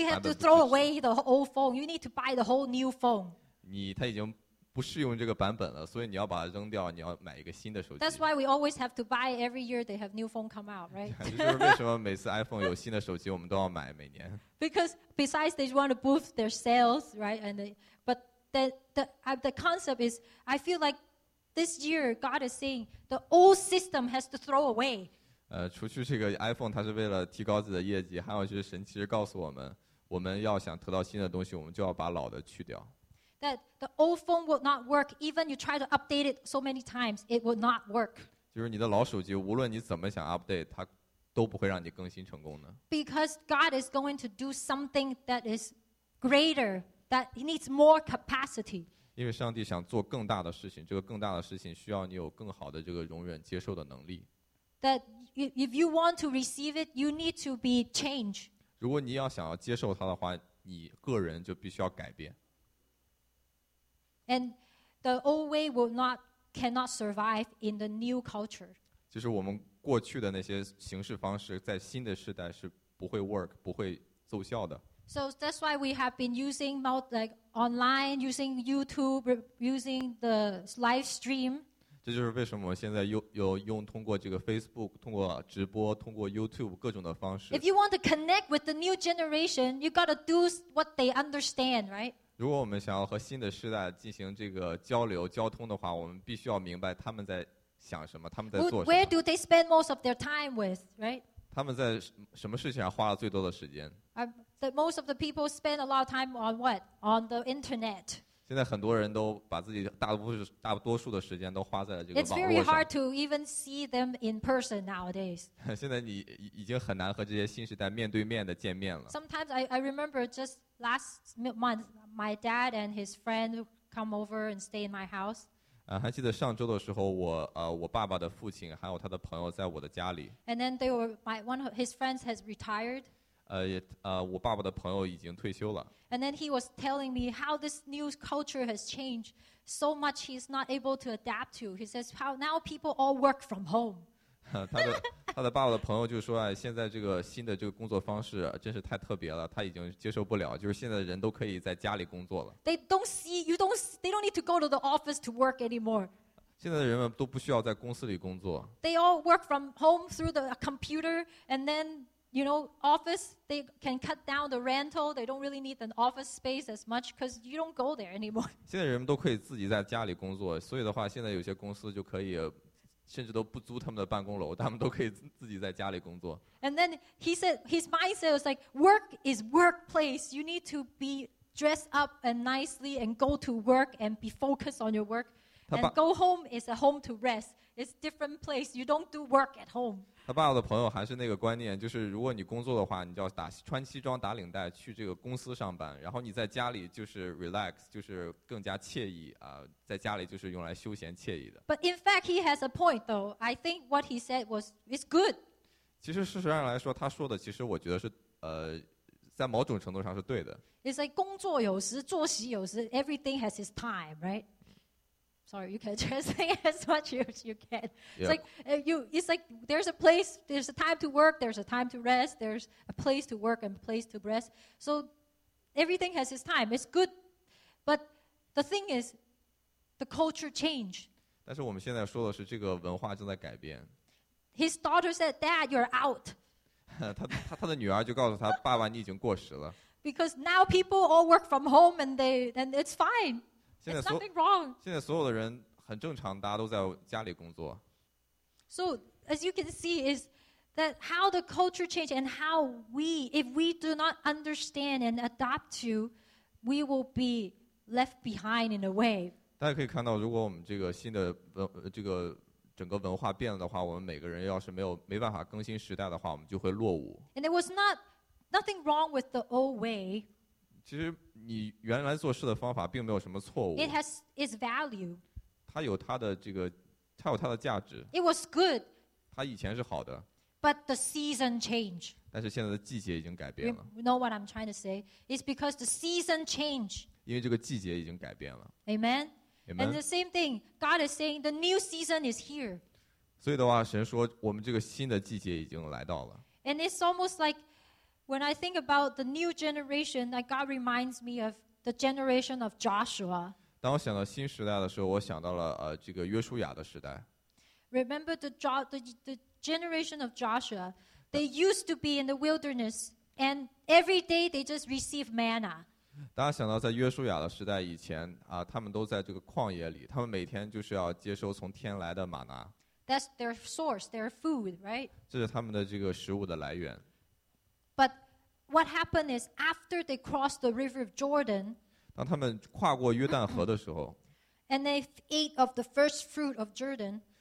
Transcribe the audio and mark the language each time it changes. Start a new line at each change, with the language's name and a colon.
English: You have to throw away the old phone. You need to buy the whole new phone.
Chinese: 它已经不适用这个版本了，所以你要把它扔掉，你要买一个新的手机。
English: That's why we always have to buy every year they have new phone come out, right?
Chinese: 就是为什么每次 iPhone 有新的手机，我们都要买每年。
English: Because besides they want to boost their sales, right? And they, but the concept is, I feel like this year God is saying the old system has to throw away.
Chinese: 除去这个 iPhone， 它是为了提高自己的业绩，还有就是神其实告诉我们，我们要想得到新的东西，我们就要把老的去掉。
English: That the old phone will not work. Even you try to update it so many times, it will not work.
Chinese: 就是你的老手机，无论你怎么想 update， 它都不会让你更新成功的。
English: Because God is going to do something that is greater, that needs more capacity.
Chinese: 因为上帝想做更大的事情，这个更大的事情需要你有更好的这个容忍接受的能力。
English: That if you want to receive it, you need to be changed.
Chinese: 如果你要想要接受它的话，你个人就必须要改变。
English: And the old way will not cannot survive in the new culture.
Chinese: 就是我们过去的那些行事方式，在新的时代是不会 work， 不会奏效的。
English: So that's why we have been using like online, using YouTube, using the live stream.
Chinese: 这就是为什么我现在用通过这个 Facebook， 通过直播，通过 YouTube 各种的方式。
English: If you want to connect with the new generation, you got to do what they understand, right?
Chinese: 如果我们想要和新的世代进行这个交流交通的话，我们必须要明白他们在想什么，他们在做什么。
English: Where do they spend most of their time with, right?
Chinese: 他们在什么事情上花了最多的时间？
English: Most of the people spend a lot of time on what? On the internet.
Chinese: 现在很多人都把自己大多数的时间都花在了这个网络上。
English: It's very hard to even see them in person nowadays.
Chinese: 现在你已经很难和这些新时代面对面的见面了。
English: Sometimes I remember just last month. My dad and his friend come over and stay in my house.
Chinese: 还记得上周的时候，我爸爸的父亲还有他的朋友在我的家里。
English: And then they were my one of his friends has retired.
Chinese: 我爸爸的朋友已经退休了。
English: And then he was telling me how this new culture has changed so much. He's not able to adapt to. He says how now people all work from home.
Chinese: 他的爸爸的朋友就说啊，现在这个新的这个工作方式真是太特别了，他已经接受不了。就是现在人都可以在家里工作了。
English: They don't see you don't. They don't need to go to the office to work anymore.
Chinese: 现在的人们都不需要在公司里工作。
English: They all work from home through the computer, and then you know, office, they can cut down the rental. They don't really need an office space as much because you don't go there anymore.
Chinese: 现在人们都可以自己在家里工作，所以的话，现在有些公司就可以，甚至都不租他们的办公楼，他们都可以自己在家里工作。
English: And then he said, his mindset was like, work is workplace. You need to be dressed up and nicely and go to work and be focused on your work. And go home is a home to rest. It's a different place. You don't do work at home.
Chinese: 他爸的朋友还是那个观念，就是如果你工作的话，你就要打穿西装打领带去这个公司上班，然后你在家里就是 relax， 就是更加惬意啊，在家里就是用来休闲惬意的。
English: But in fact, he has a point, though. I think what he said was is good.
Chinese: 其实事实上来说，他说的其实我觉得是在某种程度上是对的。
English: It's like
Chinese: 工作有时，作息有时
English: ，everything has its time, right? Sorry, you can translate as much as you can. It's like, it's like there's a place, there's a time to work, there's a time to rest, there's a place to work and a place to rest. So everything has its time. It's good. But the thing is, the culture changed.
Chinese: 但是我们现在说的是这个文化正在改变。
English: His daughter said, Dad, you're out.
Chinese: 他的女儿就告诉他，爸爸，你已经过时了。
English: Because now people all work from home and it's fine. It's nothing wrong.
Chinese: 现在所有的人很正常，大家都在家里工作。
English: So as you can see, is that how the culture change and how we, if we do not understand and adapt to, we will be left behind in a way.
Chinese: 大家可以看到，如果我们这个新的这个整个文化变了的话，我们每个人要是没办法更新时代的话，我们就会落伍。
English: And it was nothing wrong with the old way.
Chinese: 其实你原来做事的方法并没有什么错误。
English: It has its value.
Chinese: 它有它的这个，它有它的价值。
English: It was good.
Chinese: 它以前是好的。
English: But the season changed.
Chinese: 但是现在的季节已经改变了。
English: You know what I'm trying to say? It's because the season changed.
Chinese: 因为这个季节已经改变了。
English: Amen. Amen. And the same thing, God is saying the new season is here.
Chinese: 所以的话，神说我们这个新的季节已经来到了。
English: And it's almost like. When I think about the new generation, that God reminds me of the generation of Joshua.
Chinese: 当我想到新时代的时候，我想到了这个约书亚的时代。
English: Remember the generation of Joshua? They used to be in the wilderness, and every day they just received manna.
Chinese: 大家想到在约书亚的时代以前啊，他们都在这个旷野里，他们每天就是要接收从天来的玛拿。
English: That's their source, their food, right?
Chinese: 这是他们的这个食物的来源。
English: But what happened is after they crossed the river of Jordan,
Chinese: 当他们跨过约旦河的时候
English: and they ate of the first fruit of Jordan,